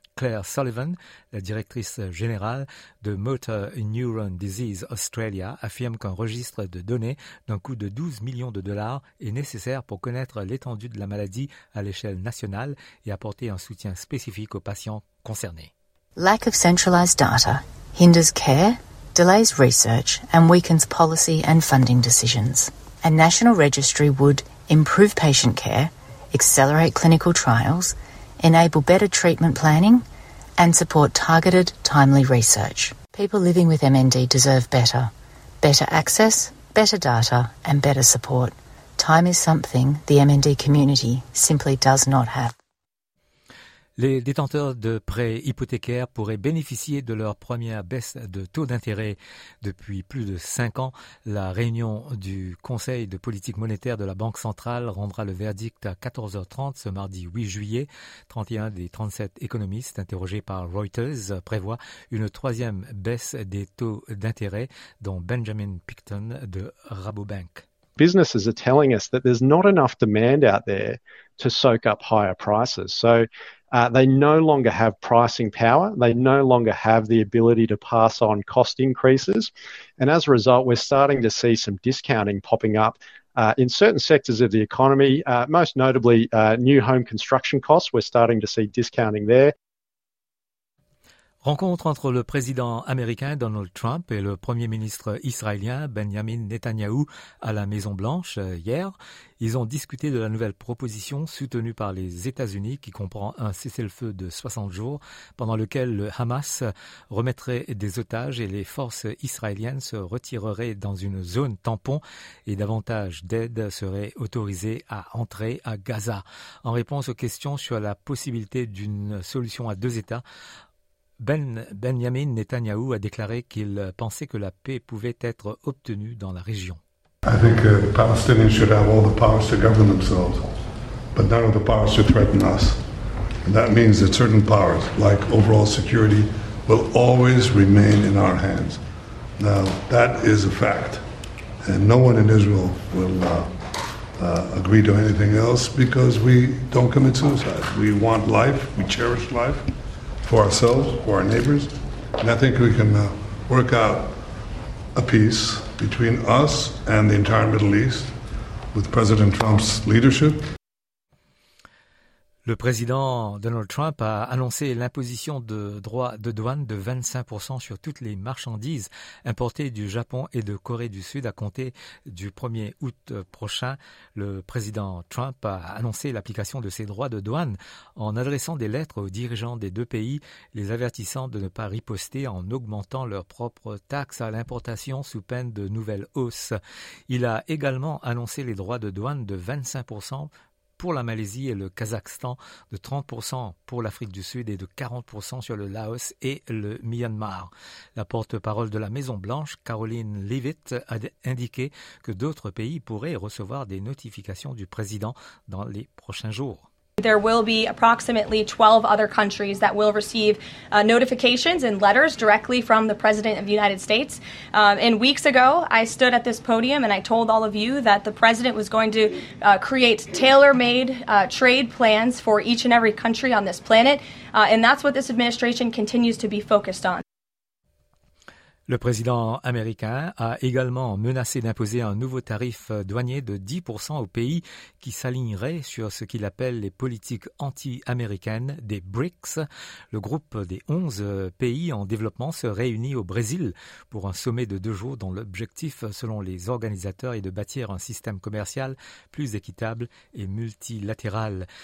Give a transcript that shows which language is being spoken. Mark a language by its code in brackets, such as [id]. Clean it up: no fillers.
[fr] Claire Sullivan, la directrice générale de Motor Neurone Disease Australia, affirme qu'un registre de données d'un coût de 12 millions de dollars est nécessaire pour connaître l'étendue de la maladie à l'échelle nationale et apporter un soutien spécifique aux patients concernés. [en] Lack of centralized data hinders care, delays research and weakens policy and funding decisions. A national registry would improve patient care, accelerate clinical trials, enable better treatment planning and support targeted, timely research. People living with MND deserve better. Better access, better data and better support. Time is something the MND community simply does not have. [fr] Les détenteurs de prêts hypothécaires pourraient bénéficier de leur première baisse de taux d'intérêt depuis plus de 5 ans. La réunion du Conseil de politique monétaire de la Banque centrale rendra le verdict à 14h30 ce mardi 8 juillet. 31 des 37 économistes interrogés par Reuters prévoient une troisième baisse des taux d'intérêt, dont Benjamin Picton de Rabobank. [en] Businesses are telling us that there's not enough demand out there to soak up higher prices. So they no longer have pricing power. They no longer have the ability to pass on cost increases. And as a result, we're starting to see some discounting popping up in certain sectors of the economy, most notably new home construction costs. We're starting to see discounting there. [fr] Rencontre entre le président américain Donald Trump et le premier ministre israélien Benjamin Netanyahou à la Maison-Blanche hier. Ils ont discuté de la nouvelle proposition soutenue par les États-Unis qui comprend un cessez-le-feu de 60 jours pendant lequel le Hamas remettrait des otages et les forces israéliennes se retireraient dans une zone tampon et davantage d'aide serait autorisée à entrer à Gaza. En réponse aux questions sur la possibilité d'une solution à deux États, Benjamin Netanyahu a déclaré qu'il pensait que la paix pouvait être obtenue dans la région. [en] I think the Palestinians should have all the powers to govern themselves, but none of the powers to threaten us. And that means that certain powers, like overall security, will always remain in our hands. Now, that is a fact. And no one in Israel will agree to anything else because we don't commit suicide. We want life, we cherish life. For ourselves, for our neighbors, and I think we can work out a peace between us and the entire Middle East with President Trump's leadership. [fr] Le président Donald Trump a annoncé l'imposition de droits de douane de 25% sur toutes les marchandises importées du Japon et de Corée du Sud à compter du 1er août prochain. Le président Trump a annoncé l'application de ces droits de douane en adressant des lettres aux dirigeants des deux pays, les avertissant de ne pas riposter en augmentant leurs propres taxes à l'importation sous peine de nouvelles hausses. Il a également annoncé les droits de douane de 25% pour la Malaisie et le Kazakhstan, de 30% pour l'Afrique du Sud et de 40% sur le Laos et le Myanmar. La porte-parole de la Maison-Blanche, Caroline Leavitt, a indiqué que d'autres pays pourraient recevoir des notifications du président dans les prochains jours. [en] There will be approximately 12 other countries that will receive notifications and letters directly from the President of the United States. And weeks ago, I stood at this podium and I told all of you that the President was going to create tailor-made trade plans for each and every country on this planet. And that's what this administration continues to be focused on. [fr] Le président américain a également menacé d'imposer un nouveau tarif douanier de 10% aux pays qui s'aligneraient sur ce qu'il appelle les politiques anti-américaines des BRICS. Le groupe des 11 pays en développement se réunit au Brésil pour un sommet de 2 jours dont l'objectif, selon les organisateurs, est de bâtir un système commercial plus équitable et multilatéral.